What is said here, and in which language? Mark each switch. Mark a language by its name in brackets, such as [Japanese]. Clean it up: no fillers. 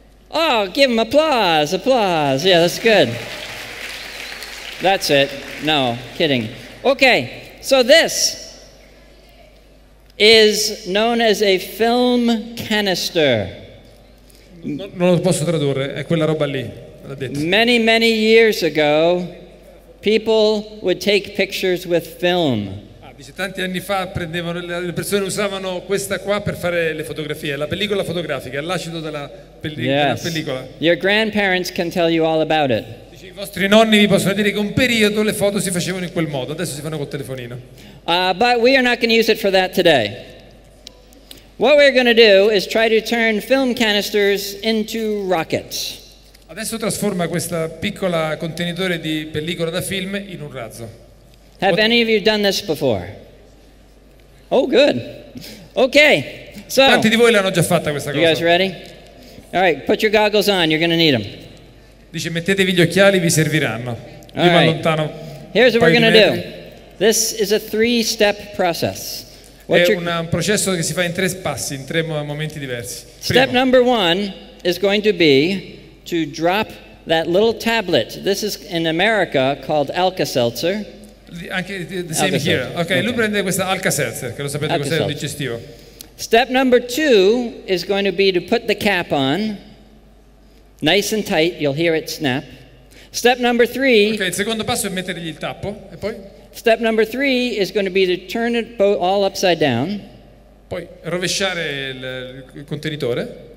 [English] Oh, give him applause, applause. Yeah, that's good. That's it. No, kidding. Okay, so this is known as a film canister. [Italian] Non lo posso tradurre, è quella roba lì. [English] Many, many years ago, people would take pictures with film. [Italian] Dice, tanti anni fa prendevano, le persone usavano questa qua per fare le fotografie, la pellicola fotografica, l'acido della, della pellicola. [English] Your grandparents can tell you all about it. [Italian] Dice, I vostri nonni vi possono dire che un periodo le foto si facevano in quel modo, adesso si fanno col telefonino. [English] But we are not going to use it for that today. What we're going to do is try to turn film canisters into rockets. [Italian] Adesso trasforma questa piccola contenitore di pellicola da film in un razzo. [English] Have any of you done this before? Oh, good. Okay. So, [Italian] tanti di voi l'hanno già fatta questa cosa. [English] You guys ready? All right, put your goggles on. You're going to need them. [Italian] Dice, mettetevi gli occhiali, vi serviranno. [English] All right. [Italian] Lontano. [English] Here's what we're going to do. This is a three-step process. [Italian] È un processo che si fa in tre passi, in tre momenti diversi. [English] Step number one is going to be to drop that little tablet. This is in America called Alka-Seltzer. [Italian] Anche [English] the same here. [Italian] Okay, lui prende questa Alka-Seltzer, che lo sapete cos'è, il digestivo. [English] Step number two is going to be to put the cap on, nice and tight. You'll hear it snap. Step number three. [Italian] Okay, il secondo passo è mettergli il tappo, e poi. [English] Step number three is going to be to turn it all upside down. [Italian] Poi rovesciare il contenitore.